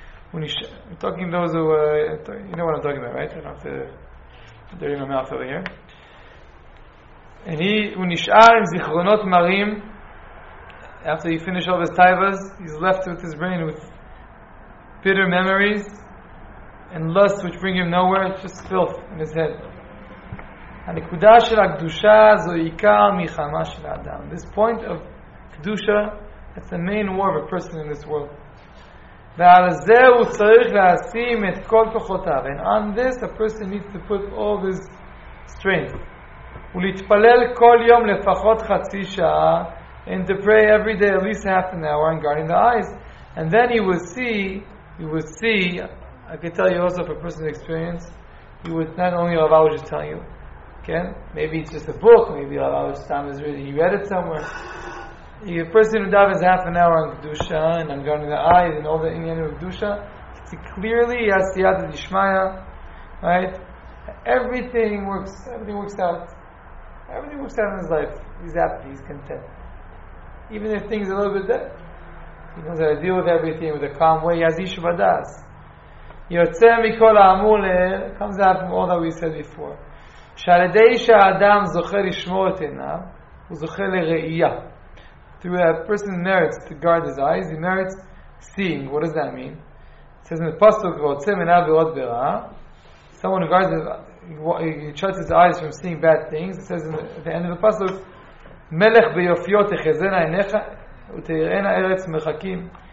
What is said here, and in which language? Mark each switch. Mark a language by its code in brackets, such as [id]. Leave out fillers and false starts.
[en] When he's talking to those who you know what I'm talking about, right? I don't have to dirty my mouth over here. And he, when he's shar in zichronot marim, after he finished all his taivas, he's left with his brain with bitter memories and lust, which bring him nowhere. It's just filth in his head. [he] הנקודה של הקדושה זו עיקר מלחמה של האדם. [en] This point of קדושה, it's the main war of a person in this world. [he] ועל זה הוא צריך להשים את כל כוחותיו. [en] And on this, a person needs to put all of his strength. [he] ולהתפלל כל יום לפחות חצי שעה, [en] and to pray every day at least half an hour and guarding the eyes. And then you will see, I can tell you also from personal experience, you would not only Rav Arush just telling you, okay? Maybe it's just a book. Maybe Rav Arush Tam is reading. He read it somewhere. A person who daven half an hour on kedusha and on guarding the eyes and all the inyan of kedusha, clearly he has siyata d'shmaya, right? Everything works. Everything works out. Everything works out in his life. He's happy. He's content. Even if things are a little bit dead, he knows how to deal with everything with a calm way. He has yishuv hadas. [he] Yotze mikol ha'amur le'el [en] comes out from all that we said before. [he] שעל ידי שהאדם זוכה לשמור את עיניו, הוא זוכה לראייה. [en] Through a person merits to guard his eyes, he merits seeing. What does that mean? It says in the pasuk, [he] ועוצם עיניו לראות ברע. [en] Someone who guards he shuts his eyes from seeing bad things. It says in the end of the pasuk, [he] מלך ביופיו תחזנה עיניך ותראינה ארץ מרחקים.